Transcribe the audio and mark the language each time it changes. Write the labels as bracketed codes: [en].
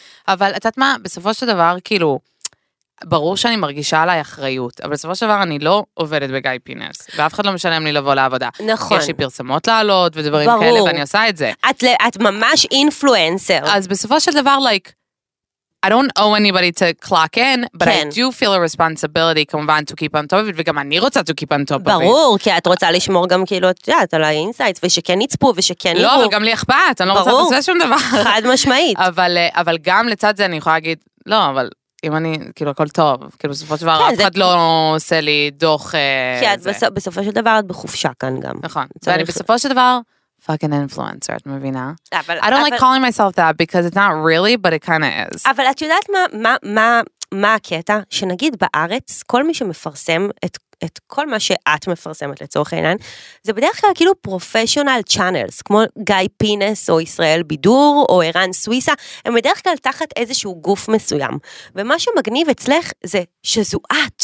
[he] אבל את יודעת מה, בסופו של דבר, כאילו, ברור שאני מרגישה עליי אחריות, אבל בסופו של דבר אני לא עובדת בגיא פינס, ואף אחד לא משלם לי לבוא לעבודה. נכון. יש לי פרסמות לעלות ודברים ברור. כאלה, ואני עושה את זה. את ממש אינפלואנסר. אז בסופו של דבר, [en] I don't owe anybody to clock in, but כן. I do feel a responsibility, כמובן, to keep on top of it, [he] וגם אני רוצה [en] to keep on top [he] ברור, [en] of it. [he] ברור, כי את רוצה לשמור גם כאילו, את יודעת, על האינסייטס, ושכן יצפו, ושכן לא, וגם לי אכפת, אני ברור. לא רוצה לעשות שום דבר. חד משמעית. אבל גם לצד זה אני יכולה להגיד, לא, אבל אם אני, כאילו, הכל טוב, כאילו, בסופו של דבר, אף אחד לא עושה לי דוח, בסופו של דבר, את בחופשה כאן גם. נכון. ואני בסופו של דבר, [en] fucking influencer, [he] את מבינה? [en] I don't like calling myself that, because it's not really, but it kind of is. [he] אבל את יודעת מה הקטע? שנגיד בארץ, כל מי שמפרסם את כל מה שאת מפרסמת לצורך העניין, זה בדרך כלל כאילו [en] professional channels, [he] כמו גיא פינס או ישראל בידור, או ערן סוויסה, הם בדרך כלל תחת איזשהו גוף מסוים. ומה שמגניב אצלך זה שזו את.